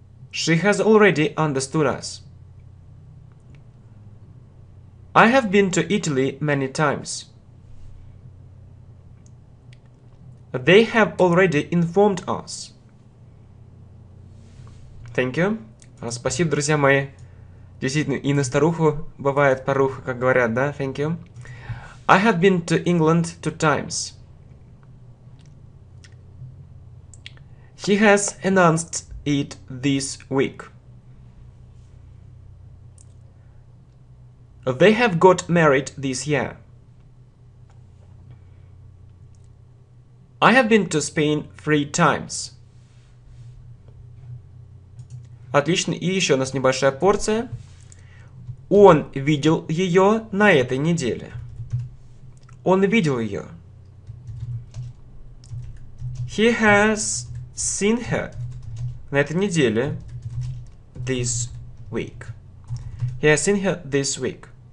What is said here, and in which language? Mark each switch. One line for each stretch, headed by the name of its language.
English: She has already understood us. I have been to Italy many times. They have already informed us. Thank you.
Russian: Спасибо, друзья мои. Действительно, и на старуху бывает поруха, как говорят, да?
English: Thank you. I have been to England 2 times. He has announced it this week. They have got married this year. I have been to Spain 3 times.
Russian: Отлично, и еще у нас небольшая порция. Он видел ее на этой неделе. Он видел ее.
English: He has seen her
Russian: на этой неделе.
English: This week. He has seen her this week.